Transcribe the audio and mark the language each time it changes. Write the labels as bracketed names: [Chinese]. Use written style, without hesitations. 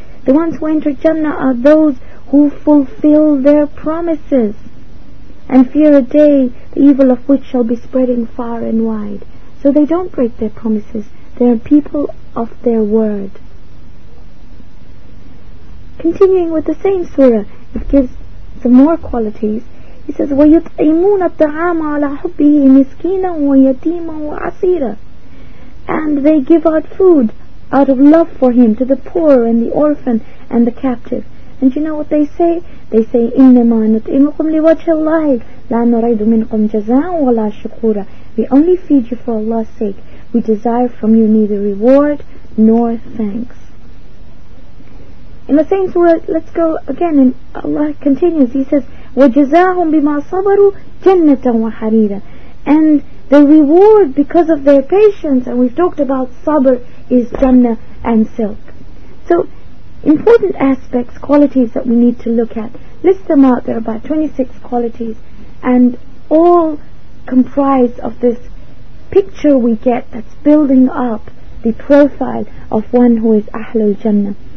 [English] The ones who enter Jannah are those who fulfill their promises and fear a day the evil of which shall be spreading far and wide. So they don't break their promises. They are people of their word. Continuing with the same surah, it gives some more qualities. [Arabic] He says, وَيُطْعِمُونَ الطَّعَامَ عَلَى حُبِّهِ مِسْكِينًا وَيَتِيمًا وَعَسِيرًا. [English] And they give out food out of love for him to the poor and the orphan and the captive. And you know what they say? [Arabic] They say, إِنَّمَا نُطْعِمُكُمْ لِوَجْهِ اللَّهِ لَا نُرَيْدُ مِنْكُمْ جَزَاءً وَلَا شُكُورًا. [English] We only feed you for Allah's sake. We desire from you neither reward nor thanks. In the same surah, let's go again, and Allah continues. [Arabic] He says, وَجَزَاهُمْ بِمَا صَبَرُوا جَنَّةً وَحَرِيرًا. [English] And the reward because of their patience, and we've talked about sabr, is Jannah and silk. So, important aspects, qualities that we need to look at. List them out. There are about 26 qualities, and all comprised of this picture we get that's building up the profile of one who is Ahlul Jannah.